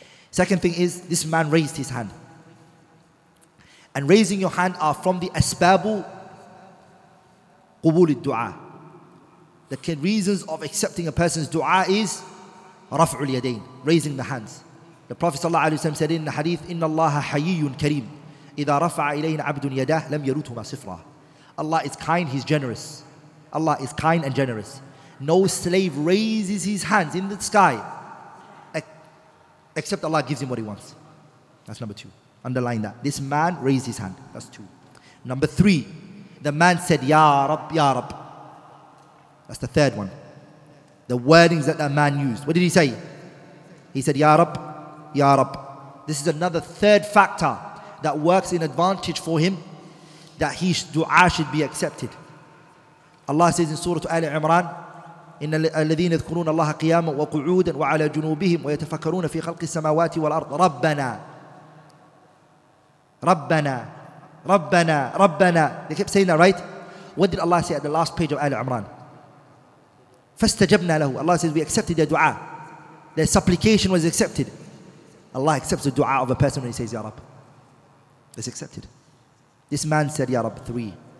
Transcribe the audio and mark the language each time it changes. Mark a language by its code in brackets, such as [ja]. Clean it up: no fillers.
[en] Second thing is, this man raised his hand. And raising your hand are from the asbabu [ar] قبول الدعاء. [en] The reasons of accepting a person's dua is [ar] رفع اليدين, [en] raising the hands. The Prophet ﷺ said in the hadith, [ar] إِنَّ اللَّهَ حَيِّيٌّ كَرِيمٌ إِذَا رَفَعَ إِلَيْنَ عَبْدٌ يَدَهُ لَمْ يَرُوتُهُمَا صِفْرًا. [en] Allah is kind, He's generous. Allah is kind and generous. No slave raises his hands in the sky except Allah gives him what he wants. That's number two. Underline that. This man raised his hand. That's two. Number three, the man said, Ya Rab, Ya Rab. That's the third one. The wordings that man used. What did he say? He said, Ya Rab, Ya Rab. This is another third factor that works in advantage for him, that his dua should be accepted. Allah says in Surah Ali Imran, [ar] إِنَّ الَّذِينَ يَذْكُرُونَ اللَّهَ قِيَامًا وَقُعُودًا وَعَلَى جُنُوبِهِمْ وَيَتَفَكَّرُونَ فِي خَلْقِ السَّمَاوَاتِ وَالْأَرْضِ رَبَّنَا رَبَّنَا رَبَّنَا رَبَّنَا. [en] They kept saying that, right? What did Allah say at the last page of Ali Imran? [ar] فَاسْتَجَبْنَا لَهُ. [en] Allah says, we accepted their dua. Their supplication was accepted. Allah accepts the dua of a person when he says, Ya Rab. It's accepted. This man said, Ya Rab, three.